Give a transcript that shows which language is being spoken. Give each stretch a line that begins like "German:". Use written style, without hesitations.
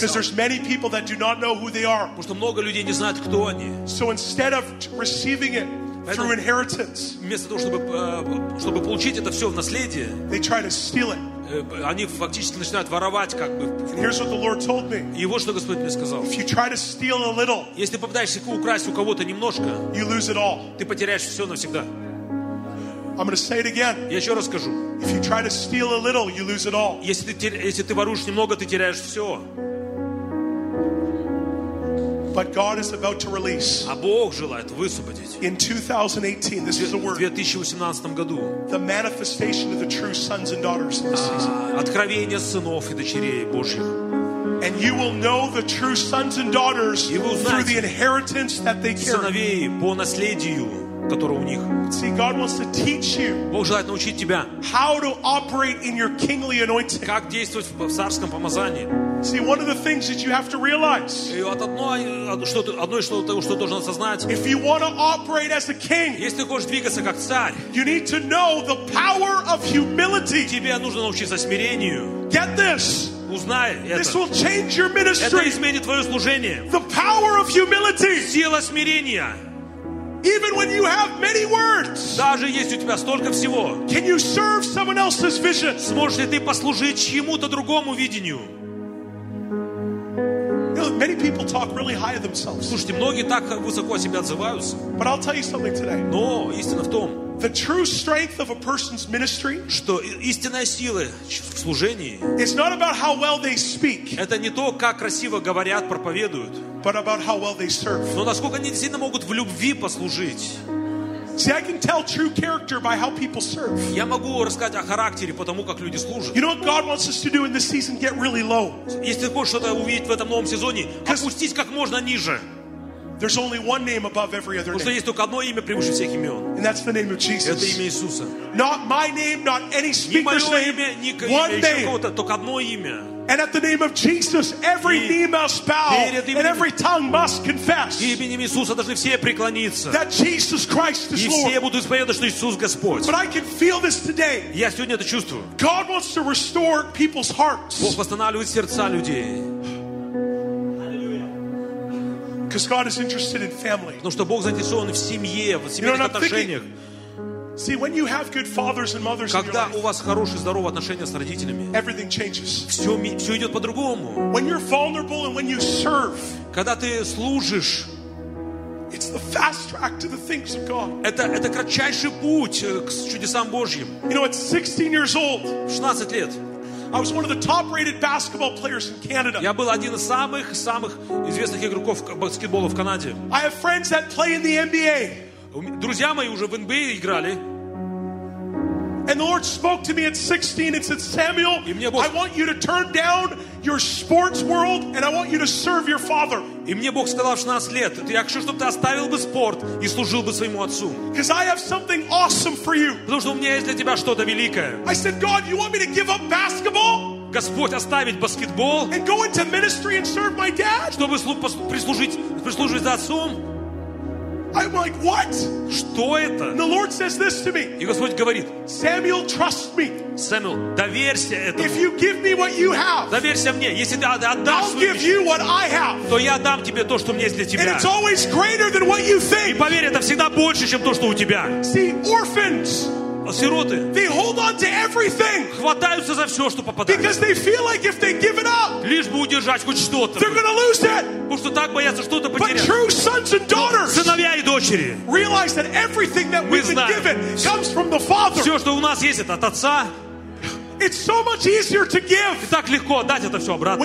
English: Because there's many people that do not know who they are.
Russian: Потому что много людей не знают, кто они.
English: So instead of receiving it through inheritance,
Russian: вместо того, чтобы получить это все в наследие,
English: they try to steal it.
Russian: Они фактически начинают воровать, как бы.
English: And here's what the Lord told me.
Russian: И вот что Господь мне сказал.
English: If you try to steal a little,
Russian: если попытаешься украсть у кого-то немножко,
English: you lose it all.
Russian: Ты потеряешь все навсегда.
English: I'm going to say it again.
Russian: Я еще раз скажу.
English: If you try to steal a little, you lose it all.
Russian: Если ты воруешь немного, ты теряешь все.
English: But God is about to release.
Russian: А Бог желает высвободить.
English: In 2018, this is the word.
Russian: В 2018 году.
English: The manifestation of the true sons and daughters in this season.
Russian: Откровение сынов и дочерей Божьих.
English: And you will know the true sons and daughters through the inheritance that they carry.
Russian: Сыновей по наследию, которое у них.
English: See, God wants to teach you.
Russian: Бог желает научить тебя.
English: How to operate in your kingly anointing.
Russian: Как действовать в царском помазании.
English: See, one of the things that you have to realize.
Russian: И вот одно что должен осознать.
English: If you want to operate as a king.
Russian: Если ты хочешь двигаться как царь.
English: You need to know the power of humility.
Russian: Тебе нужно научиться смирению.
English: Get this.
Russian: Узнай это.
English: This will change your ministry.
Russian: Это изменит твое служение.
English: The power of humility.
Russian: Сила смирения.
English: Even when you have many words.
Russian: Даже если у тебя столько всего.
English: Can you serve someone else's vision?
Russian: Сможешь ли ты послужить чьему-то другому видению?
English: Many people talk really high of themselves.
Russian: Слушайте, многие так высоко о себе отзываются.
English: But I'll tell you something today.
Russian: Но истина в том,
English: the true strength of a person's ministry,
Russian: что истинная сила в служении,
English: it's not about how well they speak.
Russian: Это не то, как красиво говорят, проповедуют.
English: But about how well they serve.
Russian: Но насколько они действительно могут в любви послужить.
English: See, I can tell true character by how people serve.
Russian: Я могу рассказать о характере по тому, как люди служат.
English: You know what God wants us to do in this season? Get really low.
Russian: Если ты хочешь что-то увидеть в этом новом сезоне, опустись как можно ниже.
English: There's only one name above every other name.
Russian: Потому что есть только одно имя превыше всех имен.
English: And that's the name of Jesus.
Russian: Это имя Иисуса.
English: Not my name, not any speaker's name.
Russian: Не мое имя, ни кого-то, только одно имя.
English: And at the name of Jesus, every knee must bow and every tongue must confess.
Russian: Именем Иисуса должны все преклониться.
English: That Jesus Christ is Lord.
Russian: И все будут исповедовать, что Иисус Господь.
English: But I can feel this today.
Russian: Я сегодня это чувствую.
English: God wants to restore people's hearts.
Russian: Бог восстанавливает сердца людей.
English: Because God is interested in family.
Russian: Потому что Бог заинтересован в семье, в семейных отношениях.
English: See, when you have good fathers and mothers in your life,
Russian: когда у вас хорошие, здоровые отношения с родителями,
English: everything changes.
Russian: Все идет по-другому.
English: When you're vulnerable and when you serve,
Russian: когда ты служишь,
English: it's the fast track to the things of God.
Russian: Это кратчайший путь к чудесам Божьим.
English: You know, at 16 years old,
Russian: 16 лет,
English: I was one of the top-rated basketball players in Canada.
Russian: Я был один из самых известных игроков баскетбола в Канаде.
English: I have friends that play in the NBA.
Russian: Друзья мои уже в NBA играли.
English: And the Lord spoke to me at 16 and said, Samuel, I want you to turn down your sports world and I want you to serve your father.
Russian: И мне Бог сказал, в 16 лет, я хочу, чтобы ты оставил бы спорт и служил бы своему отцу.
English: Because I have something awesome for you.
Russian: Потому что у меня есть для тебя что-то великое.
English: I said, God, you want me to give up basketball?
Russian: Господь, оставить баскетбол?
English: And go into ministry and serve my dad?
Russian: Чтобы прислужить за отцом?
English: I'm like, what?
Russian: Что это?
English: And the Lord says this to me.
Russian: И Господь говорит:
English: Samuel, trust me.
Russian: Samuel, доверься этому.
English: If you give me what you have,
Russian: доверься мне. Если ты отдашь свою мечту,
English: I'll give you what I have.
Russian: То я дам тебе то, что у меня есть для тебя.
English: And it's always greater than what you think.
Russian: И поверь, это всегда больше, чем то, что у тебя.
English: See, orphans.
Russian: Сироты.
English: They hold on to everything.
Russian: Хватаются за все, что попадает.
English: Because they feel like if they give it up,
Russian: лишь бы удержать хоть что-то.
English: They're gonna lose it.
Russian: Потому что так боятся что-то потерять.
English: But true sons and daughters,
Russian: сыновья и дочери,
English: realize that everything that we've been given comes from the Father.
Russian: Все, что у нас есть, это от Отца.
English: It's so much easier to give.
Russian: И так легко отдать это все обратно.